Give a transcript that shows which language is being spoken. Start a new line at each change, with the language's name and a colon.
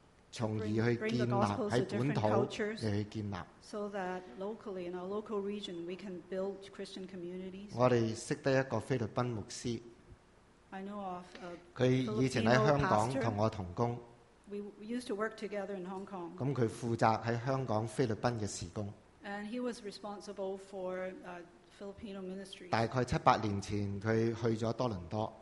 Cantonese: 从而去建立喺本土嚟去建立。
English: So that locally in our local region we can build Christian communities.
Cantonese: 我哋识得一个菲律宾牧师。
English: I know of a
Cantonese: 佢以前喺香港同我同工。
English: We used to work together in Hong Kong.
Cantonese: 咁佢负责喺香港菲律宾嘅事工。
English: And he was responsible for Filipino ministry.
Cantonese: 大概七八年前，佢去咗多伦多。